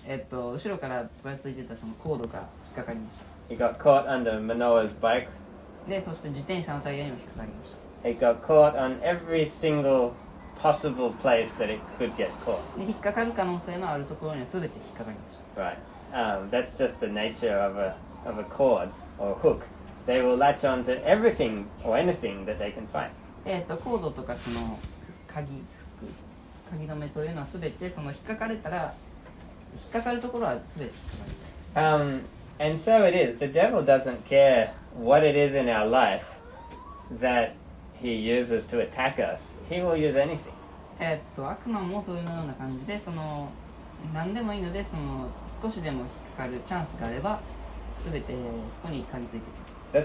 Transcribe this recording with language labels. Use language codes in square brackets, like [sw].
[ja] 後ろからぶらついてたそのコードが引っかかりました。 [en] It got caught under Manoa's bike. [ja] で、そして自転車のタイヤにも引っかかりました。 [en] It got caught on every single possible place that it could get caught. [ja] で、引っかかる可能性のあるところにはすべて引っかかりました。 [en] Right. That's just the nature of a cord or a hook. They will latch on to everything or anything that they can find. [ja] コードとかその鍵止めというのはすべてその引っかかれたら引っかかるところはすべて引っかかる。 [en] And so it is. The devil doesn't care what it is in our life that he uses to attack us. He will use anything. [ja] 悪魔もそういうような感じで、その何でもいいので、その少しでも引っかかるチャンスがあれば、すべてそこに鍵ついてくる。